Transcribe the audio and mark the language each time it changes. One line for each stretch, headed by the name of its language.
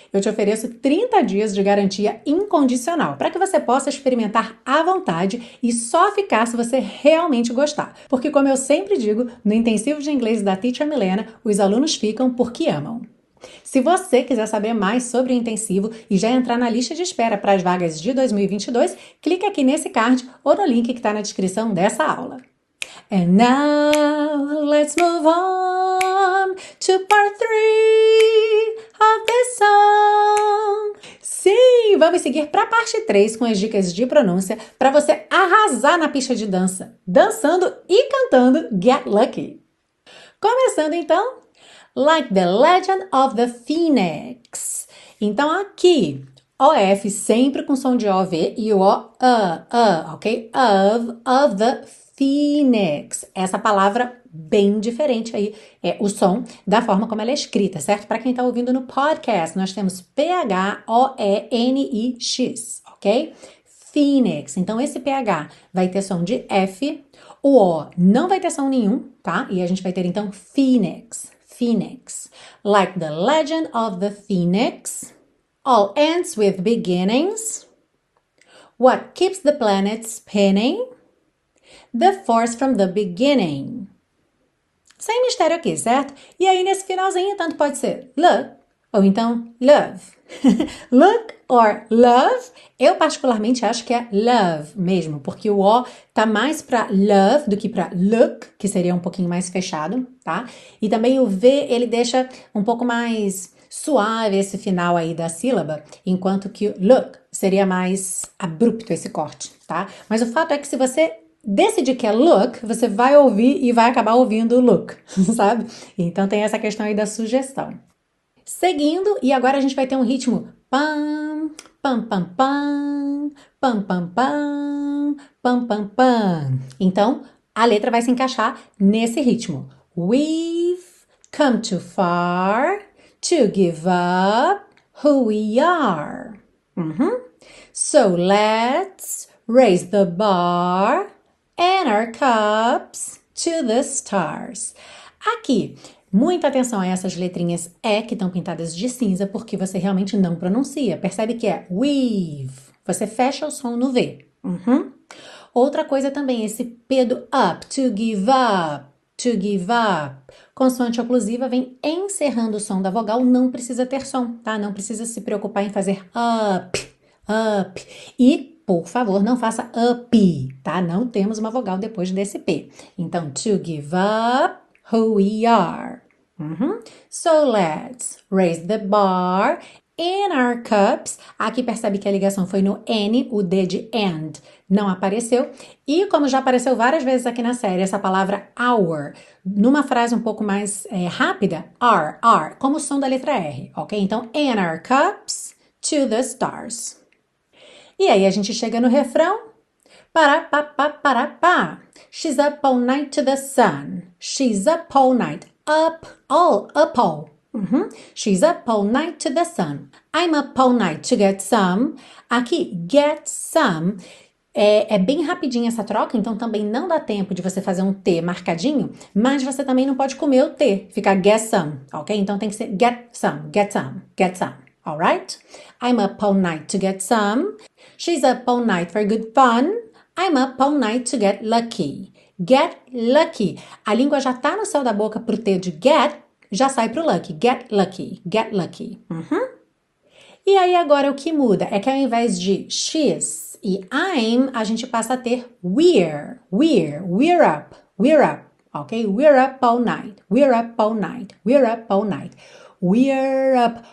Portuguese: Eu te ofereço 30 dias de garantia incondicional, para que você possa experimentar à vontade e só ficar se você realmente gostar. Porque, como eu sempre digo, no intensivo de inglês da Teacher Milena, os alunos ficam porque amam. Se você quiser saber mais sobre o intensivo e já entrar na lista de espera para as vagas de 2022, clique aqui nesse card ou no link que está na descrição dessa aula.
English: And now, let's move on to part 3 of this song.
Portuguese: Sim, vamos seguir para a parte 3 com as dicas de pronúncia para você arrasar na pista de dança, dançando e cantando Get Lucky. Começando então,
English: Like the Legend of the Phoenix.
Portuguese: Então aqui, OF sempre com som de OV e o O, ok?
English: Of the Phoenix.
Portuguese: Essa palavra bem diferente aí é o som da forma como ela é escrita, certo? Para quem está ouvindo no podcast, nós temos Phoenix, ok? Phoenix. Então esse PH vai ter som de F, o O não vai ter som nenhum, tá? E a gente vai ter então Phoenix, Phoenix.
English: Like the legend of the Phoenix, all ends with beginnings. What keeps the planet spinning? The force from the beginning.
Portuguese: Sem mistério aqui, certo? E aí nesse finalzinho, tanto pode ser look ou então love.
English: Look or love,
Portuguese: eu particularmente acho que é love mesmo, porque o O tá mais pra love do que pra look, que seria um pouquinho mais fechado, tá? E também o V, ele deixa um pouco mais suave esse final aí da sílaba, enquanto que look seria mais abrupto esse corte, tá? Mas o fato é que se você decidir que é look, você vai ouvir e vai acabar ouvindo look, sabe? Então tem essa questão aí da sugestão. Seguindo, e agora a gente vai ter um ritmo pam, pam, pam, pam, pam, pam, pam, pam, pam. Então a letra vai se encaixar nesse ritmo.
English: We've come too far to give up who we are. So let's raise the bar. And our cups to the stars.
Portuguese: Aqui, muita atenção a essas letrinhas E que estão pintadas de cinza, porque você realmente não pronuncia. Percebe que é weave. Você fecha o som no V. Outra coisa também, esse P do up,
English: to give up, to give up.
Portuguese: Consoante oclusiva vem encerrando o som da vogal, não precisa ter som, tá? Não precisa se preocupar em fazer up, up. E por favor, não faça up, tá? Não temos uma vogal depois desse P. Então,
English: to give up who we are. So let's raise the bar in our cups.
Portuguese: Aqui percebe que a ligação foi no N, o D de and não apareceu. E como já apareceu várias vezes aqui na série, essa palavra our, numa frase um pouco mais rápida, are, como o som da letra R, ok? Então,
English: in our cups to the stars.
Portuguese: E aí a gente chega no refrão. Para pa pa para pa.
English: She's up all night to the sun. She's up all night. Up all. She's up all night to the sun. I'm up all night to get some.
Portuguese: Aqui,
English: get some.
Portuguese: É bem rapidinho essa troca, então também não dá tempo de você fazer um T marcadinho, mas você também não pode comer o T, ficar
English: get some,
Portuguese: ok? Então tem que ser
English: get some, get some, get some. All right? I'm up all night to get some. She's up all night for good fun. I'm up all night to get lucky. Get lucky.
Portuguese: A língua já tá no céu da boca pro T de get, já sai pro lucky.
English: Get lucky. Get lucky.
Portuguese: E aí agora o que muda é que ao invés de she's e I'm, a gente passa a ter
English: we're up. We're up. Ok? We're up all night. We're up all night. We're up all night. We're up.